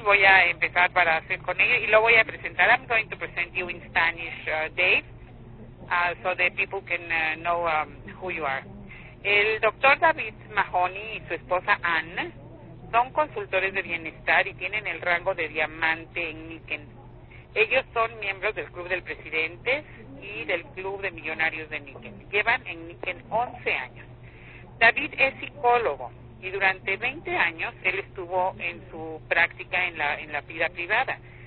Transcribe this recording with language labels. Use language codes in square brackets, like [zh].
[es] Voy a empezar para hacer con ella y lo voy a presentar. [en] I'm going to present you in Spanish, Dave, so that people can know who you are. [es] El Dr. David Mahoney y su esposa Anne son consultores de bienestar y tienen el rango de diamante en Niken. Ellos son miembros del Club del Presidente y del Club de Millonarios de Niken. Llevan en Niken 11 años. David es psicólogo y durante 20 años él estuvo en su práctica en la vida privada.